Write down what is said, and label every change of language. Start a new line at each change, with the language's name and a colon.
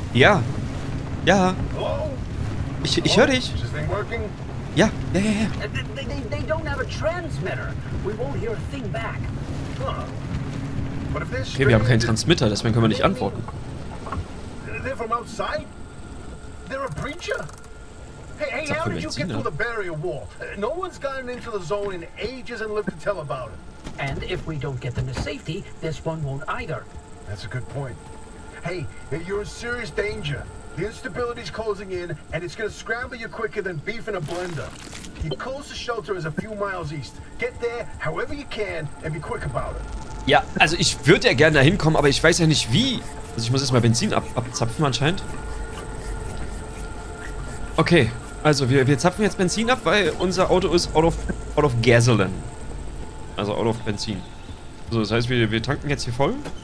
German: Ja. Ja.
English: Hello?
German: Ich höre dich.
English: Is this thing working?
German: Ja, ja, ja, ja.
English: They don't have a transmitter. We won't hear a thing back. Huh. But if they're
German: okay, wir haben keinen Transmitter, deswegen können wir nicht antworten.
English: They're from outside? They're a breacher? Hey, hey, how did you get through the barrier wall? No one's gotten into the zone in ages and lived to tell about it. And if we don't get them to safety, this one won't either. That's a good point. Hey, you're in serious danger. The instability's closing in, and it's gonna scramble you quicker than beef in a blender. Your closest shelter is a few miles east. Get there, however you can, and be quick about it.
German: Ja, also ich würde ja gerne da hinkommen, aber ich weiß ja nicht wie. Also ich muss erstmal Benzin abzapfen anscheinend. Okay, also wir zapfen jetzt Benzin ab, weil unser Auto ist
English: out of gasoline.
German: Also out of Benzin. So, das heißt, wir tanken jetzt hier voll.